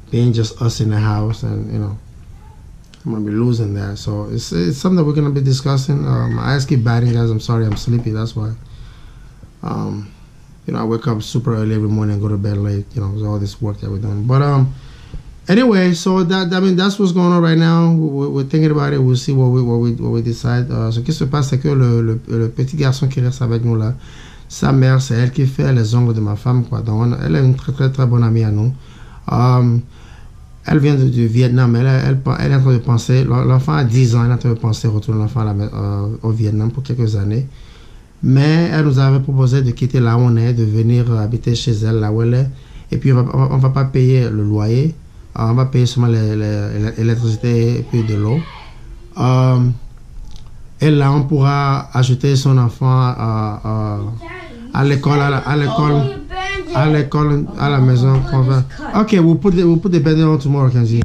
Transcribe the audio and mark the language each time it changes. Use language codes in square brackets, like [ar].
[en] Being just us in the house, and you know, I'm gonna be losing that, so it's something that we're gonna be discussing. My eyes keep batting, guys. I'm sorry, I'm sleepy, that's why. You know, I wake up super early every morning and go to bed late, you know, with all this work that we're doing, but anyway, so that that's what's going on right now. We're thinking about it, we'll see what we decide. [fr] Ce qui se passe, c'est que le petit garçon qui reste avec nous là, sa mère, c'est elle qui fait les ongles de ma femme, quoi. Donc, elle est une très très très bonne amie à nous. Elle vient du Vietnam, elle est en train de penser, l'enfant a 10 ans, elle est en train de penser retourner l'enfant au Vietnam pour quelques années. Mais elle nous avait proposé de quitter là où on est, de venir habiter chez elle, là où elle est. Et puis on va pas payer le loyer, on va payer seulement l'électricité et puis de l'eau. Et là on pourra ajouter son enfant à l'école, à la maison. [en] Okay, we'll put the bandage on tomorrow, Kenzie.